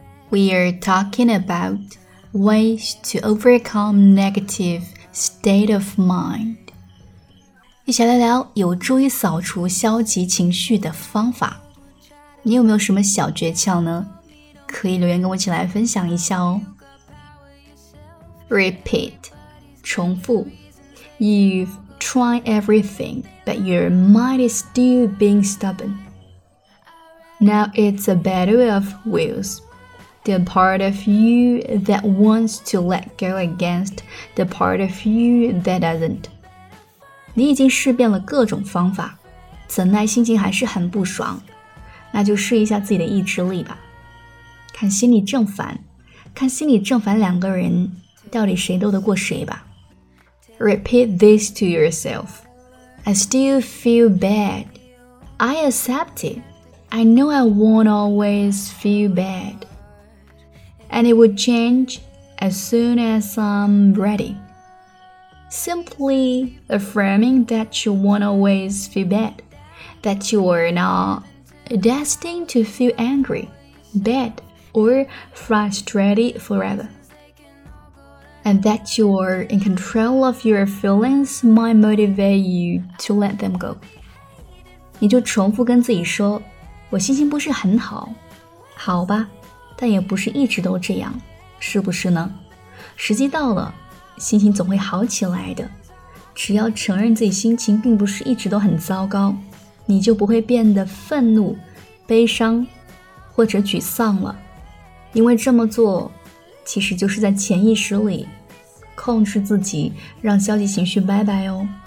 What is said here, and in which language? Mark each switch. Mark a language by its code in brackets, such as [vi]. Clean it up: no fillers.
[en] We are talking about ways to overcome negative state of mind， [zh] 一起来聊有助于扫除消极情绪的方法。你有没有什么小诀窍呢？可以留言跟我一起来分享一下哦。 [en] Repeat， 重复。 You've tried everything, but your mind is still being stubborn. Now it's a battle of wills. The part of you that wants to let go against the part of you that doesn't. [zh] 你已经试遍了各种方法，怎奈心情还是很不爽，那就试一下自己的意志力吧。看心理正反，看心理正反两个人到底谁斗得过谁吧。 [en] Repeat this to yourself. I still feel bad. I accept it. I know I won't always feel bad. And it will change as soon as I'm ready. Simply affirming that you won't always feel bad, that you are not destined to feel angry, bad, or frustrated forever. And that you're in control of your feelings might motivate you to let them go. [zh] 你就重复跟自己说，我心情不是很好，好吧，但也不是一直都这样，是不是呢？时机到了，心情总会好起来的。只要承认自己心情并不是一直都很糟糕，你就不会变得愤怒、悲伤或者沮丧了，因为这么做其实就是在潜意识里控制自己，让消极情绪拜拜哦。